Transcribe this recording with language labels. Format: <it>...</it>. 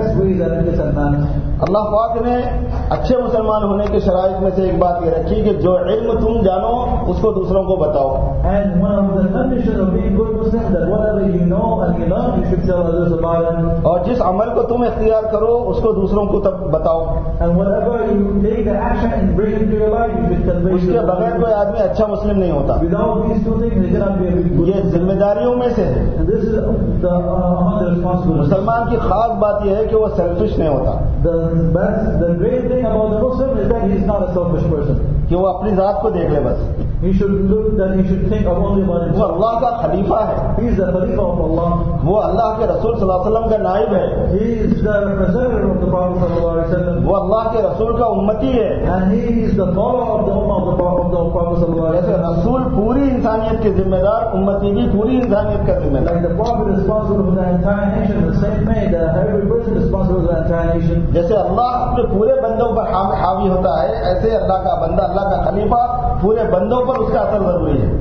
<ur>اللہ پاک نے اچھے مسلمان ہونے کے شرائط میں سے ایک بات یہ رکھی کہ جو علم تم جانو اس کو دوسروں کو بتاؤ.</ur> <en>And one of the conditions of being good Muslim that whatever you know and you learn, you should tell others about it.</en> <ur>اور جس عمل کو تم اختیار کرو اس کو دوسروں کو تب بتاؤ.</ur> <en>And whatever you take the action and bring into your life, you should tell</en> <ur>others. اس کے بغیر کوئی آدمی اچھا مسلم نہیں ہوتا.</ur> <en>Without these two things, you cannot be a good</en> <ur>Muslim. یہ ذمہ داریوں میں سے ہے.</ur> <en>And this is the responsibility.</en> <ur>مسلمان کی خاص بات یہ ہے کہ وہ سیلفش نہیں ہوتا.</ur> <en>The great thing about the Muslim is that he is not a selfish person.</en> <ur>کہ وہ اپنی ذات کو دیکھ لے بس.</ur> <en>He should look that he should think of only one.</en> <ur>وہ اللہ کا خلیفہ ہے.</ur> <en>He is the khalifa of Allah.</en> <ur>وہ اللہ کے رسول صلی اللہ علیہ وسلم کا نائب ہے.</ur> <en>He is the representative of the Prophet صلی اللہ علیہ وسلم.</en> <ur>وہ اللہ کے رسول کا امتی ہے.</ur> <en>And he is the follower of the ummah of the Prophet صلی اللہ علیہ وسلم.</en> <ur>جیسے رسول پوری انسانیت کے ذمہ دار, امتی بھی پوری انسانیت کا ذمہ دار.</ur> <en>Like the Prophet is responsible for the entire nation, the same way that every person is responsible for the entire nation.</en> <ur>جیسے اللہ اپنے پورے بندوں پر حاوی ہوتا ہے, ایسے اللہ کا بندہ, اللہ کا خلیفہ پورے بندوں پر اس کا اثر ضروری ہے.</ur>